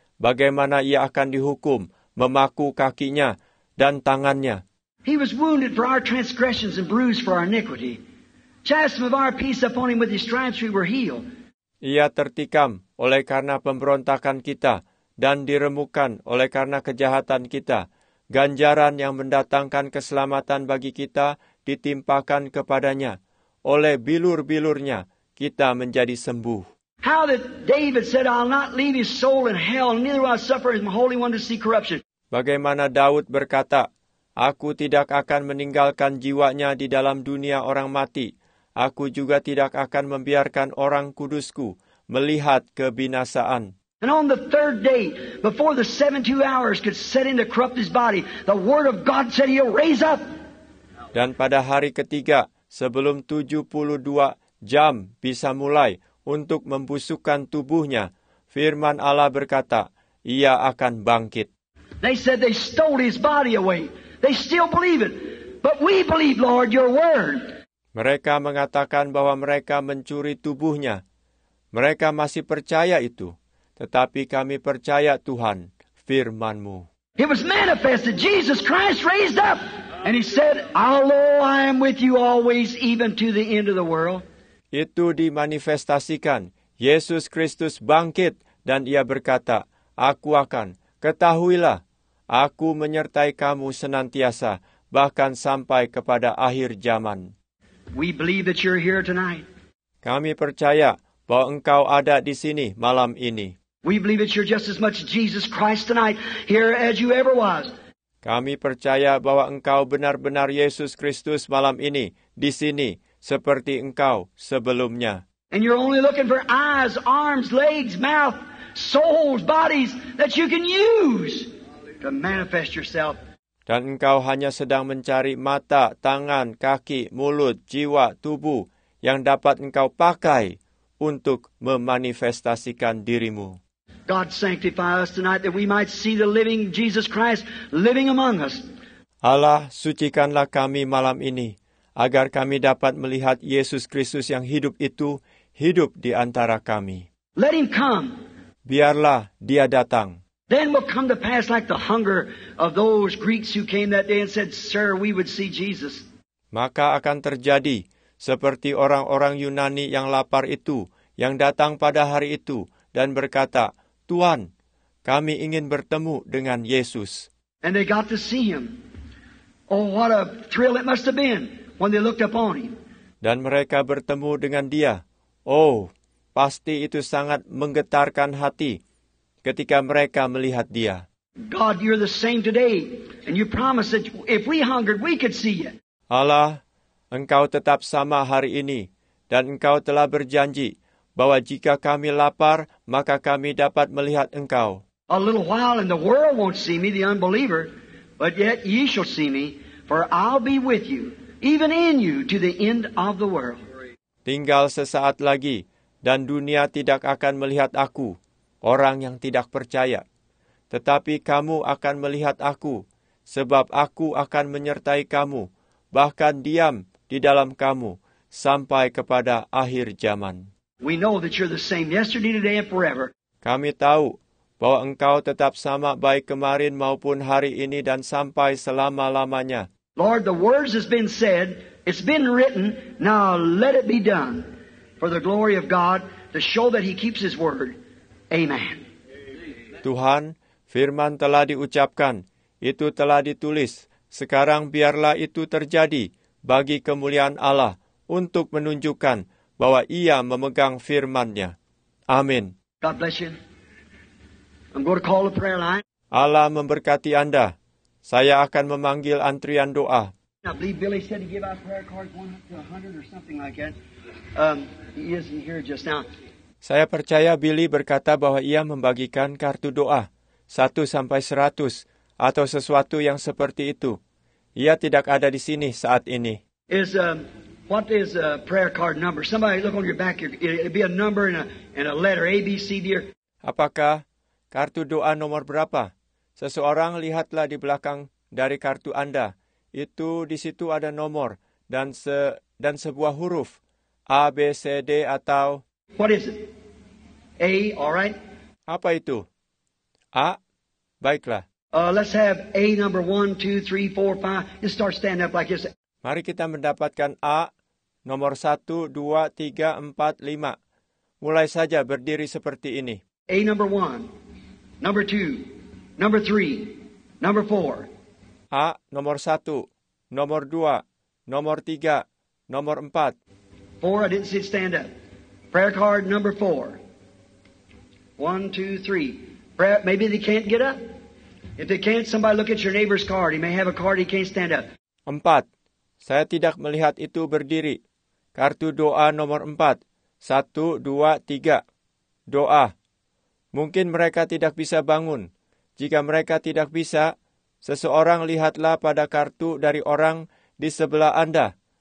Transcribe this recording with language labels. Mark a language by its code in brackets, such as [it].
[id] Bagaimana ia akan dihukum, memaku kakinya dan tangannya. [en] He was wounded for our transgressions and bruised for our iniquity. Chastisement of our peace upon him with his stripes we were healed. [id] Ia tertikam oleh karena pemberontakan kita dan diremukan oleh karena kejahatan kita. Ganjaran yang mendatangkan keselamatan bagi kita ditimpakan kepadanya. Oleh bilur-bilurnya kita menjadi sembuh. [en] How that David said, I'll not leave his soul in hell, neither will I suffer his holy one to see corruption. [id] Bagaimana Daud berkata, aku tidak akan meninggalkan jiwanya di dalam dunia orang mati. Aku juga tidak akan membiarkan orang kudusku melihat kebinasaan. [en] And on the third day, before the 72 hours could set in to corrupt his body, the word of God said he'll raise up. [id] Dan pada hari ketiga, sebelum 72 jam bisa mulai, untuk membusukkan tubuhnya, firman Allah berkata, ia akan bangkit. [en] They said they stole his body away. They still believe it. But we believe, Lord, your word. [id] Mereka mengatakan bahwa mereka mencuri tubuhnya. Mereka masih percaya itu. Tetapi kami percaya Tuhan, firman-Mu. [en] It was manifested. Jesus Christ raised up. And he said, although I am with you always, even to the end of the world. [id] Itu dimanifestasikan. Yesus Kristus bangkit dan ia berkata, aku akan, ketahuilah, aku menyertai kamu senantiasa, bahkan sampai kepada akhir zaman. [en] We believe that you're here tonight. [id] Kami percaya bahwa engkau ada di sini malam ini. [en] We believe that you're just as much Jesus Christ tonight here as you ever was. [id] Kami percaya bahwa engkau benar-benar Yesus Kristus malam ini di sini. Seperti engkau sebelumnya. [en] And you're only looking for eyes, arms, legs, mouth, souls, bodies that you can use to manifest yourself. [id] Dan engkau hanya sedang mencari mata, tangan, kaki, mulut, jiwa, tubuh yang dapat engkau pakai untuk memanifestasikan dirimu. [en] God sanctify us tonight that we might see the living Jesus Christ living among us. [id] Allah sucikanlah kami malam ini. Agar kami dapat melihat Yesus Kristus yang hidup itu hidup di antara kami. [en] Let him come. [id] Biarlah dia datang. [en] Then will come to pass like the hunger of those Greeks who came that day and said, "Sir, we would see Jesus." [id] Maka akan terjadi seperti orang-orang Yunani yang lapar itu yang datang pada hari itu dan berkata, "Tuan, kami ingin bertemu dengan Yesus." [en] And they got to see him. Oh, what a thrill it must have been. When they looked upon him. [id] Dan mereka bertemu dengan dia. Oh, pasti itu sangat menggetarkan hati ketika mereka melihat dia. [en] God, you're the same today, and you promised that if we hungered, we could see you. [id] Allah, Engkau tetap sama hari ini, dan Engkau telah berjanji bahwa jika kami lapar, maka kami dapat melihat Engkau. [en] A little while and the world won't see me, the unbeliever, but yet ye shall see me, for I'll be with you, even in you, to the end of the world. [id] Tinggal sesaat lagi, dan dunia tidak akan melihat aku, orang yang tidak percaya. Tetapi kamu akan melihat aku, sebab aku akan menyertai kamu, bahkan diam di dalam kamu, sampai kepada akhir zaman. [en] We know that you're the same yesterday, today, and forever. [id] Kami tahu bahwa Engkau tetap sama baik kemarin maupun hari ini dan sampai selama-lamanya. [en] Lord, the words has been said, it's been written, now let it be done for the glory of God to show that He keeps His word. Amen. [id] Tuhan, firman telah diucapkan, itu telah ditulis. Sekarang biarlah itu terjadi bagi kemuliaan Allah untuk menunjukkan bahwa Ia memegang firman-Nya. Amin. [en] God bless you. I'm going to call the prayer line. [id] Allah memberkati Anda. Saya akan memanggil antrian doa. [en] I believe Billy said to give out prayer cards 100 or something like that. He isn't here just now. [id] Saya percaya Billy berkata bahwa ia membagikan kartu doa 1-100 atau sesuatu yang seperti itu. Ia tidak ada di sini saat ini. [en] What is a prayer card number? Somebody look on your back. It'll be a number and a letter A, B, C, D. [id] Apakah kartu doa nomor berapa? Seseorang lihatlah di belakang dari kartu Anda. Itu di situ ada nomor dan sebuah huruf A, B, C, D atau. [en] What is it? A, all right. [id] Apa itu? A, baiklah. [en] Let's have A number 1, 2, 3, 4, 5. Just start standing up like this. [id] Mari kita mendapatkan A nomor 1, 2, 3, 4, 5. Mulai saja berdiri seperti ini. [en] A number 1, number 2, number 3, number 4. [id] A nomor 1, nomor 2, nomor 3, nomor 4. [en] 4, I didn't see it stand up. Prayer card number 4. 1, 2, 3. Prayer, maybe they can't get up. If they can't, somebody look at your neighbor's card. He may have a card he can't stand up. 4. [id] Saya tidak melihat itu berdiri. Kartu doa nomor 4. 1, 2, 3. Doa. Mungkin mereka tidak bisa bangun. Jika mereka tidak bisa, seseorang lihatlah pada kartu dari orang di sebelah Anda.